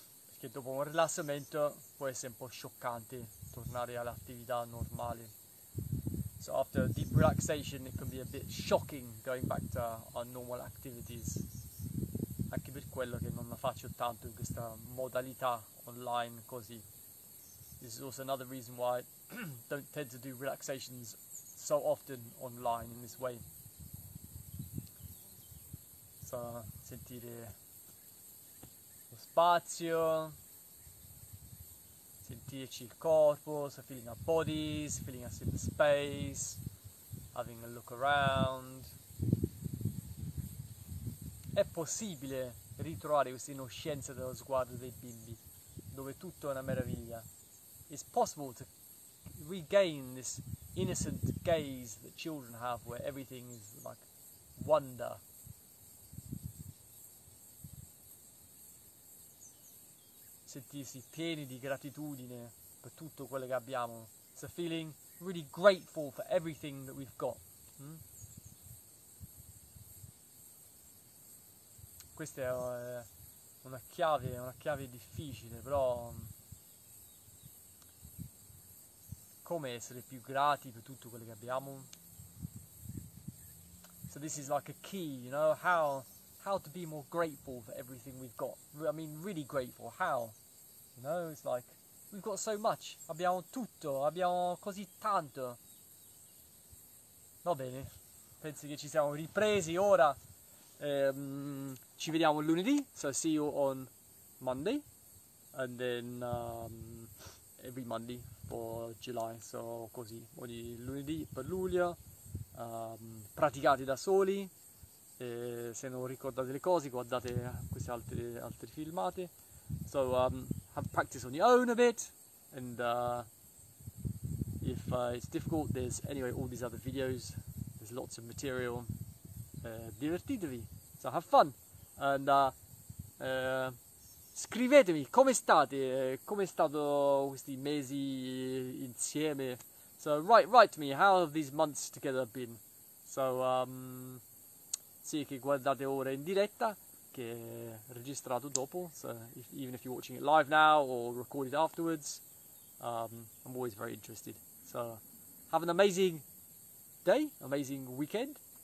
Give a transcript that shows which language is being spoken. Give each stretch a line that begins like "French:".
Italian: Perché dopo un rilassamento può essere un po' scioccante tornare all'attività normale.
English: So after a deep relaxation, it can be a bit shocking going back to our normal activities.
Italian: Anche per quello che non la faccio tanto in questa modalità online così.
English: This is also another reason why I don't tend to do relaxations so often online in this way. So
Italian: sentire lo spazio, sentirci il corpo,
English: so feeling our bodies, feeling us in the space, having a look around.
Italian: È possibile ritrovare questa innocenza dello sguardo dei bimbi, dove tutto è una meraviglia.
English: It's possible to regain this innocent gaze that children have where everything is like wonder.
Italian: Sentirsi pieni di gratitudine per tutto quello che abbiamo.
English: It's a feeling really grateful for everything that we've got.
Italian: Questa è una chiave difficile, però come essere più grati per tutto quello che abbiamo?
English: So this is like a key, you know, how to be more grateful for everything we've got. I mean, really grateful. How? You know, it's like we've got so much.
Italian: Abbiamo tutto, abbiamo così tanto. Va bene. Penso che ci siamo ripresi ora. Ci vediamo lunedì.
English: So see you on Monday, and then every Monday for July.
Italian: So così ogni lunedì per luglio. Praticate da soli. Se non ricordate le cose, guardate questi altri filmati.
English: So have practice on your own a bit, and if it's difficult, there's anyway all these other videos. There's lots of material.
Italian: Divertitevi.
English: So have fun,
Italian: and scrivetemi come state, come è stato questi mesi insieme.
English: So write to me how have these months together been.
Italian: So sì, che guardate ora in diretta, che è registrato dopo.
English: So even if you're watching it live now or recorded afterwards, I'm always very interested. So have an amazing day, amazing weekend.